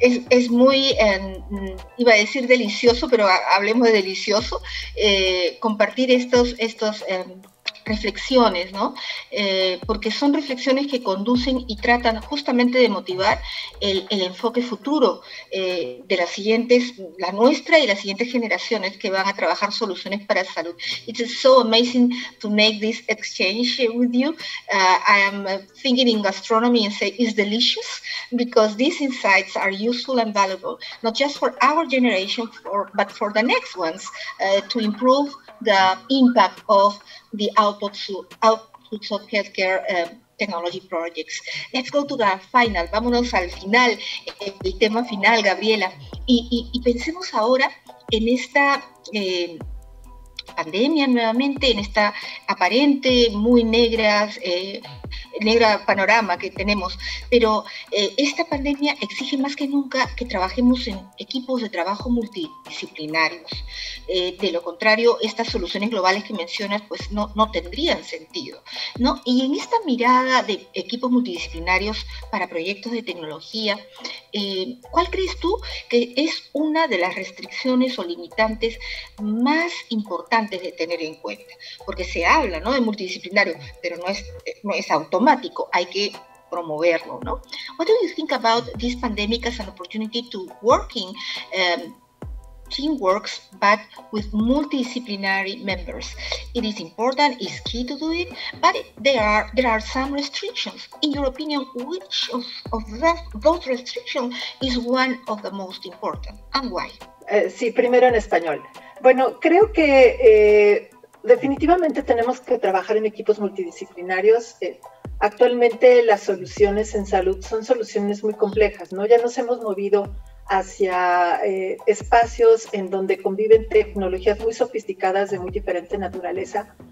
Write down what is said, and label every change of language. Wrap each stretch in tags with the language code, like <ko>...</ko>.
<es>Es muy, iba a decir delicioso, pero hablemos de delicioso, compartir estos reflexiones, ¿no? Porque son reflexiones que conducen y tratan justamente de motivar el enfoque futuro de las siguientes, la nuestra y las siguientes generaciones que van a trabajar soluciones para salud.</es> <en>It's so amazing to make this exchange with you. I am thinking in gastronomy and say it's delicious because these insights are useful and valuable, not just for our generation, but for the next ones to improve the impact of the outputs of healthcare technology projects. Let's go to the final.</en> <es>Vámonos al final, el tema final,</es> <en>Gabriela.</en> <es>Y pensemos ahora en esta pandemia nuevamente, en esta aparente muy negras negro panorama que tenemos, pero esta pandemia exige más que nunca que trabajemos en equipos de trabajo multidisciplinarios. De lo contrario, estas soluciones globales que mencionas pues no tendrían sentido, ¿no? Y en esta mirada de equipos multidisciplinarios para proyectos de tecnología, ¿cuál crees tú que es una de las restricciones o limitantes más importantes de tener en cuenta? Porque se habla, ¿no?, de multidisciplinario, pero no es automático, hay que promoverlo, ¿no?</es> <en>What do you think about this pandemic as an opportunity to working teamworks, but with multidisciplinary members? It is important, it's key to do it, but there are some restrictions. In your opinion, which of those restrictions is one of the most important, and why?</en> <es>Sí, primero en español. Bueno, creo que definitivamente tenemos que trabajar en equipos multidisciplinarios. Actualmente las soluciones en salud son soluciones muy complejas, ¿no? Ya nos hemos movido hacia espacios en donde conviven tecnologías muy sofisticadas de muy diferente naturaleza.</es>